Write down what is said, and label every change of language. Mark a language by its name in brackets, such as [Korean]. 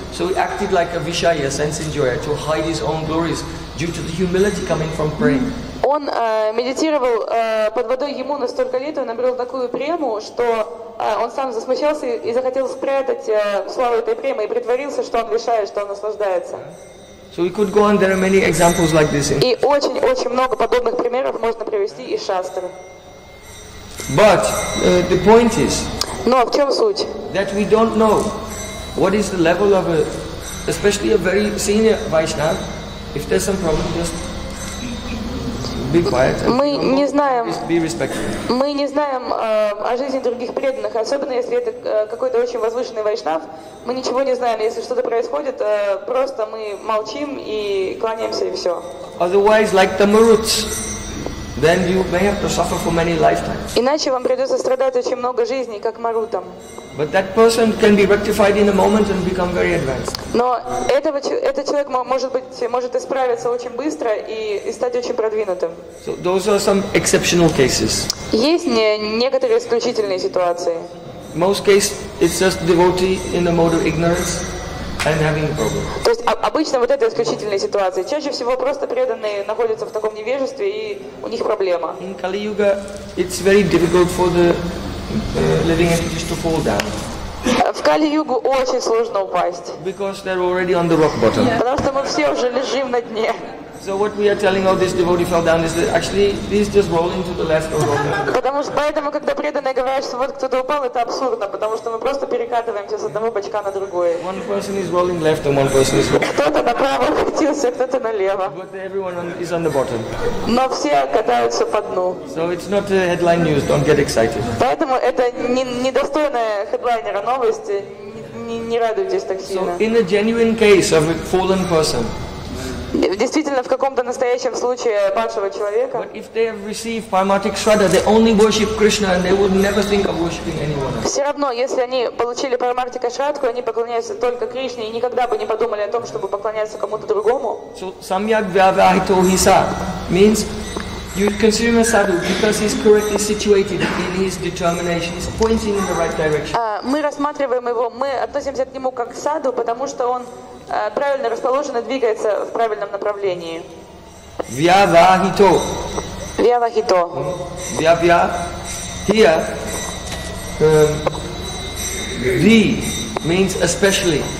[English] So he acted like a Vishaya, sense enjoyer, to hide his own glories due to the humility coming from praying. [Russian] Он медитировал под водой ему на столько лет, он обрел такую прему, что он сам засмущался и захотел спрятать славу этой премы и притворился, что он вишая, что он наслаждается. [English] So we could go on, there are many examples like this. [Russian] И очень-очень много подобных примеров можно привести из шастр. [English] But the point is, [Russian] но в чем суть? [English] That we don't know what is the level of especially a very senior Vaishnava, if there's some problem, just be quiet. [Russian] Мы не знаем. [English] Be respectful. [Russian] Мы не знаем о жизни других преданных, особенно если это какой-то очень возвышенный вайшнав. Мы ничего не знаем. Если что-то происходит, просто мы молчим и кланяемся и все. [English] Otherwise, like the maruts, then you may have to suffer for many lifetimes. [Russian] Иначе вам придется страдать очень много жизней, как марутам. [English] But that person can be rectified in a moment and become very advanced. [Russian] Но этот человек может исправиться очень быстро и стать очень продвинутым. [English] So those are some exceptional cases. [Russian] Есть некоторые исключительные ситуации. [English] Most cases, it's just devotee in the mode of ignorance. And having a problem. [Russian] То есть обычно вот это исключительные ситуации. Чаще всего просто преданные находятся в таком невежестве и у них проблема. [English] In Kali Yuga, it's very difficult for the living entities to fall down. [Russian] В Кали Югу очень сложно упасть. [English] Because they're already on the rock bottom. Yeah. [Russian] Потому что мы все уже лежим на дне. [English] So what we are telling all these devotees fell down is that actually these just rolling to the left or rolling. [Russian] Потому что поэтому, когда преданные говорят, что вот кто-то упал, это абсурдно, потому что мы просто перекатываемся с одного бочка на другой. [English] One person is rolling left and one person is rolling. [Russian] Кто-то направо катился, кто-то налево. [English] But everyone is on the bottom. [Russian] Но все катаются по дну. [English] So it's not headline news. Don't get excited. [Russian] Поэтому это недостойная хедлайнера новости. Не радуйтесь так сильно. [English] So in a genuine case of a fallen person. [Russian] Действительно, в каком-то настоящем случае падшего человека. [English] But if they have received Paramatic Shraddha, they only worship Krishna and they would never think of worshiping anyone else. [Russian] Все равно, если они получили Парамартика Шрадху, они поклоняются только Кришне и никогда бы не подумали о том, чтобы поклоняться кому-то другому. [English] So Samyak Vyavahito Hisa means you consider him a sadhu because he's correctly situated in his determination, he's pointing in the right direction. [Russian] Мы рассматриваем его, мы относимся к нему как к саду, потому что он правильно расположен и двигается в правильном направлении. Вьявахито. Вьявахито. [English] Вьявья. Here, ви means especially.